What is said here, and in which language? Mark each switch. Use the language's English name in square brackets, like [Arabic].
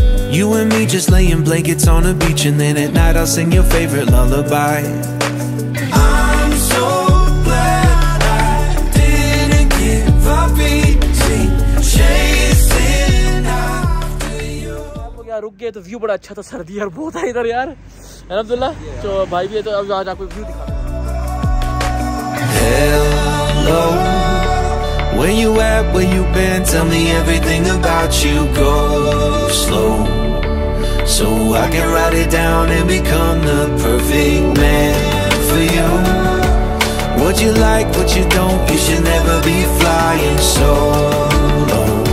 [English] You and me just laying blankets on a beach, and then at night I'll sing your favorite lullaby. I'm so glad I didn't give up easy, chasing after you. [Hindi] रुक गए तो view बड़ा अच्छा था, सर्दी यार बहुत है इधर यार, है अब्दुल्ला? तो भाई भी है, तो अब आज आपको व्यू दिखाते हैं। [English] Where you at, where you been, tell me everything about you, go slow. So I can write it down and become the perfect man for you. What you like, what you don't, you should never be flying solo.